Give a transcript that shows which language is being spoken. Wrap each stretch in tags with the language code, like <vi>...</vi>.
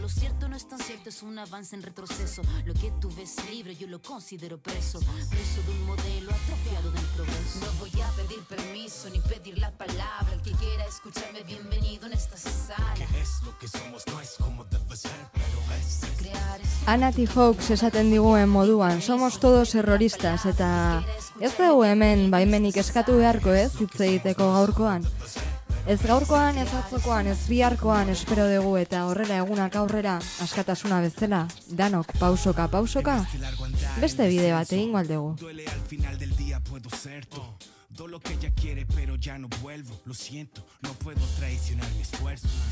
<es>Lo cierto no es tan cierto, es un avance en retroceso. Lo que tú ves libre, yo lo considero preso. Preso de un modelo atrofiado del progreso. No voy a pedir permiso ni pedir la palabra. El que quiera escucharme, bienvenido en esta sala. ¿Qué es lo que somos? No es como debe ser, pero es crear. Ana T.</es> <eu>Hawks esaten diguen moduan,</eu> <es>somos todos terroristas,</es> <eu>eta ez dugu hemen baimenik eskatu beharko ez hitz egiteko gaurkoan. Ez gaurkoan, ez atzokoan, ez biharkoan espero dugu eta horrela egunak aurrera, askatasuna bezala, danok pausoka, beste bide bat egingo aldugu.</eu> <es>puedo ser tú. Do lo que ella quiere, pero ya no vuelvo. Lo siento, no puedo traicionar mi esfuerzo.</es>